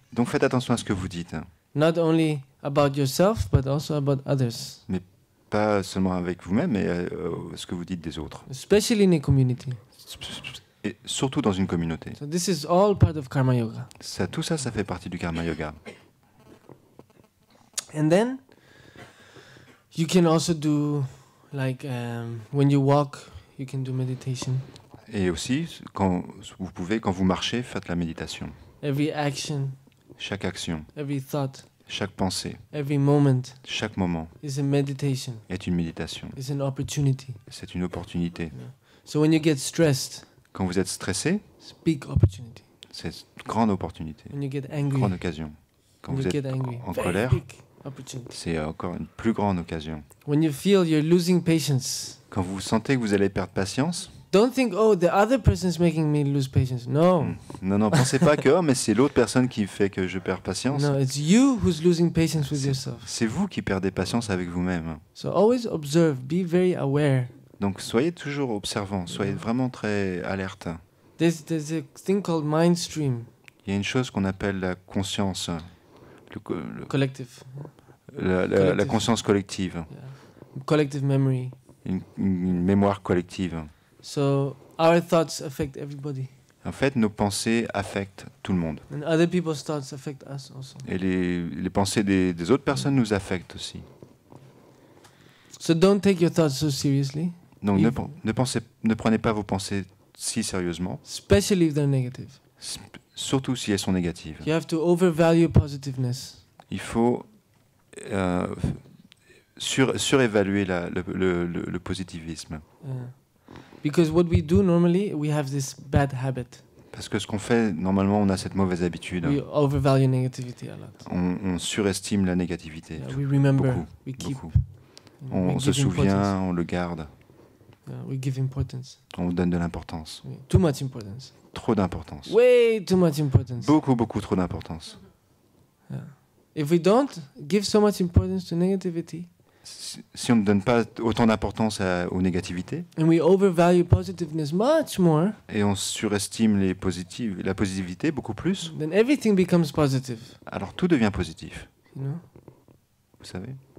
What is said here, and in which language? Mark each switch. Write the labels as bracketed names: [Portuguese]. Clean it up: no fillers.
[French] Donc faites attention à ce que vous dites. [English] Not only about yourself, but also about others. [French] Mais pas seulement avec vous-même, mais ce que vous dites des autres. [English] Especially in a community. [French] Et surtout dans une communauté. [English] So this is all part of karma yoga. [French] Tout ça fait partie du karma yoga. [English] And then you can also do like when you walk, you can do meditation. [French] Et aussi quand vous marchez, faites la méditation. [English] Every action. [French] Chaque action. [English] Every thought. [French] Chaque pensée. [English] Every moment. [French] Chaque moment. [English] Is a meditation. [French] Est une méditation. [English] Is an opportunity. [French] C'est une opportunité. [English] So when you get stressed. [French] Quand vous êtes stressé. [English] Big opportunity. [French] C'est grande opportunité. [English] When you get angry. [French] Grande occasion. Quand vous êtes en colère. C'est encore une plus grande occasion. [English] When you feel you're losing patience, [French] quand vous sentez que vous allez perdre patience. [English] Don't think, oh, the other person's making me lose patience. No. [French] Non, pensez pas que oh, mais c'est l'autre personne qui fait que je perds patience. [English] No, it's you who's losing patience with yourself. [French] C'est vous qui perdez patience avec vous-même. [English] So always observe, be very aware. [French] Donc soyez toujours observant, soyez vraiment très alerte. [English] There's a thing called mind stream. [French] Il y a une chose qu'on appelle la conscience. [English] Collective. [French] La conscience collective. [English] Yeah. Collective memory. [French] Une mémoire collective. [English] So our thoughts affect everybody. [French] En fait, nos pensées affectent tout le monde. [English] And other people's thoughts affect us also. [French] Et les pensées des autres personnes nous affectent aussi. [English] So don't take your thoughts so seriously. [French] Donc ne prenez pas vos pensées si sérieusement. [English] Especially if they're negative. [French] Surtout si elles sont négatives. [English] You have to overvalue positiveness. [French] Il faut surévaluer le positivisme. [English] Because what we do normally, we have this bad habit. [French] Parce que ce qu'on fait normalement, on a cette mauvaise habitude. [English] We overvalue negativity a lot. [French] On surestime la négativité. [English] We remember, [French] beaucoup, [English] we keep, [French] beaucoup. On se souvient, on le garde. [English] We give importance. [French] On donne de l'importance. [English] Too much importance. [French] Trop d'importance. [English] Way too much importance. [French] Beaucoup, beaucoup trop d'importance. [English] Yeah. If we don't give so much importance to negativity. [French] Si on ne donne pas autant d'importance aux négativités. [English] And we overvalue positiveness much more. [French] Et on surestime la positivité beaucoup plus. [English] Then everything becomes positive. [French] Alors tout devient positif. [English] You know? [French] Vous savez.